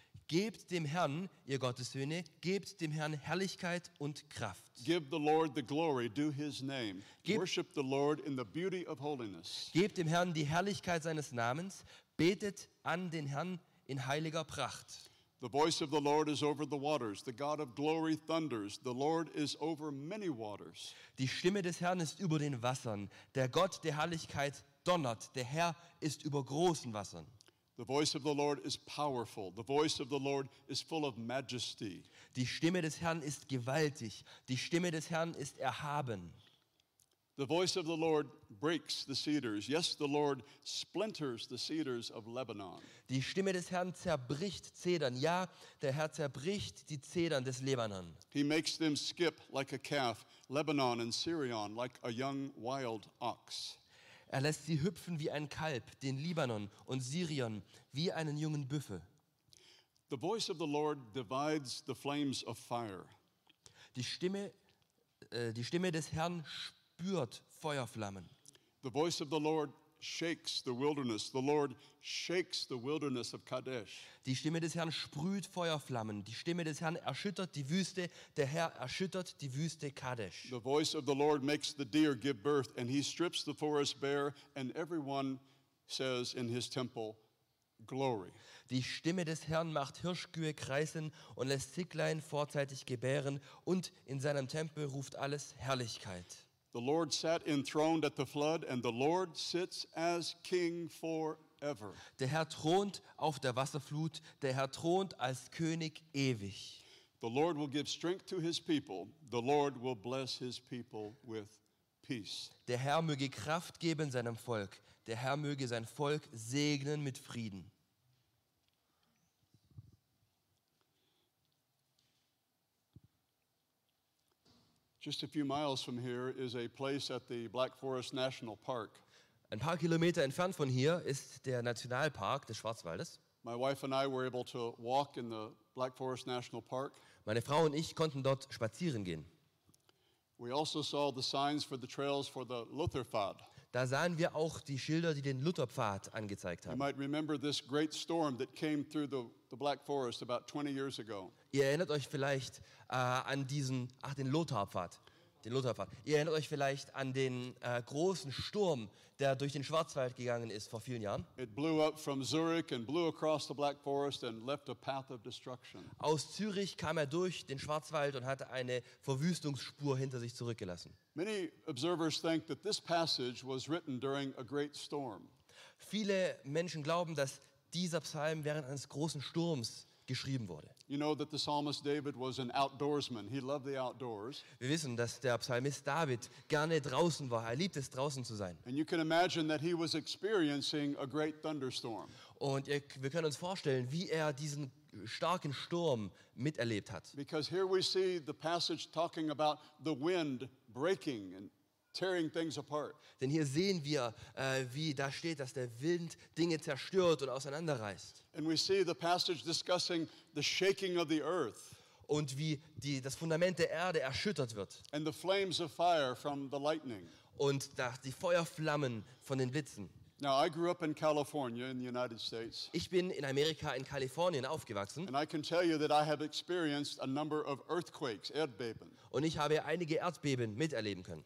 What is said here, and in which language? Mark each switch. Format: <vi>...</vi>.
<de>Gebt dem Herrn, ihr Gottessöhne, gebt dem Herrn Herrlichkeit und Kraft.</de> <en>Give the Lord the glory, do his name. Worship the Lord in the beauty of holiness.</en> <de>Gebt dem Herrn die Herrlichkeit seines Namens, betet an den Herrn in heiliger Pracht.</de> <en>The voice of the Lord is over the waters. The God of glory thunders. The Lord is over many waters.</en> <de>Die Stimme des Herrn ist über den Wassern. Der Gott der Herrlichkeit donnert. Der Herr ist über großen Wassern.</de> <en>The voice of the Lord is powerful. The voice of the Lord is full of majesty.</en> <de>Die Stimme des Herrn ist gewaltig. Die Stimme des Herrn ist erhaben.</de> <en>The voice of the Lord breaks the cedars. Yes, the Lord splinters the cedars of Lebanon.</en> <de>Die Stimme des Herrn zerbricht Zedern. Ja, der Herr zerbricht die Zedern des Lebanon.</de> <en>He makes them skip like a calf, Lebanon and Sirion like a young wild ox.</en> <de>Er lässt sie hüpfen wie ein Kalb, den Libanon und Sirion wie einen jungen Büffel.</de> <en>The voice of the Lord divides the flames of fire.</en> <de>Die Stimme des Herrn spürt Feuerflammen.</de> <en>The voice of the Lord shakes the wilderness. The Lord shakes the wilderness of Kadesh.</en> <de>Die Stimme des Herrn sprüht Feuerflammen. Die Stimme des Herrn erschüttert die Wüste. Der Herr erschüttert die Wüste Kadesh.</de> <en>The voice of the Lord makes the deer give birth, and he strips the forest bare, and everyone says in his temple, glory.</en> <de>Die Stimme des Herrn macht Hirschkühe kreisen und lässt Zicklein vorzeitig gebären, und in seinem Tempel ruft alles Herrlichkeit.</de> <en>The Lord sat enthroned at the flood, and the Lord sits as king forever.</en> <de>Der Herr thront auf der Wasserflut, der Herr thront als König ewig.</de> <en>The Lord will give strength to his people, the Lord will bless his people with peace.</en> <de>Der Herr möge Kraft geben seinem Volk, der Herr möge sein Volk segnen mit Frieden.</de> <en>Just a few miles from here is a place at the Black Forest National Park.</en> <de>Ein paar Kilometer entfernt von hier ist der Nationalpark des Schwarzwaldes.</de> <en>My wife and I were able to walk in the Black Forest National Park.</en> <de>Meine Frau und ich konnten dort spazieren gehen.</de> <en>We also saw the signs for the trails for the Lutherpfad.</en> <de>Da sahen wir auch die Schilder, die den Lutherpfad angezeigt haben.</de> <en>You might remember this great storm that came through the Black Forest about 20 years ago.</en> <de>Ihr erinnert euch vielleicht an diesen, ach, den Lutherpfad, Ihr erinnert euch vielleicht an den großen Sturm, der durch den Schwarzwald gegangen ist vor vielen Jahren.</de> <en>It blew up from Zurich and blew across the Black Forest and left a path of destruction.</en> <de>Aus Zürich kam er durch den Schwarzwald und hatte eine Verwüstungsspur hinter sich zurückgelassen.</de> <en>Many observers think that this passage was written during a great storm.</en> <de>Viele Menschen glauben, dass dieser Psalm während eines großen Sturms geschrieben wurde.</de> <en>You know that the psalmist David was an outdoorsman. He loved the outdoors.</en> <de>Wir wissen, dass der Psalmist David gerne draußen war. Er liebte es, draußen zu sein.</de> <en>And you can imagine that he was experiencing a great thunderstorm.</en> <de>Und wir können uns vorstellen, wie er diesen starken Sturm miterlebt hat.</de> <en>Because here we see the passage talking about the wind breaking and tearing things apart.</en> <de>Denn hier sehen wir, wie da steht, dass der Wind Dinge zerstört und auseinanderreißt.</de> <en>And we see the passage discussing the shaking of the earth.</en> <de>Und wie das Fundament der Erde erschüttert wird.</de> <en>And the flames of fire from the lightning.</en> <de>Und die Feuerflammen von den Blitzen.</de> <en>Now I grew up in California in the United States.</en> <de>Ich bin in Amerika in Kalifornien aufgewachsen.</de> <en>And I can tell you that I have experienced a number of earthquakes, Erdbeben.</en> <de>Und ich habe einige Erdbeben miterleben können.</de>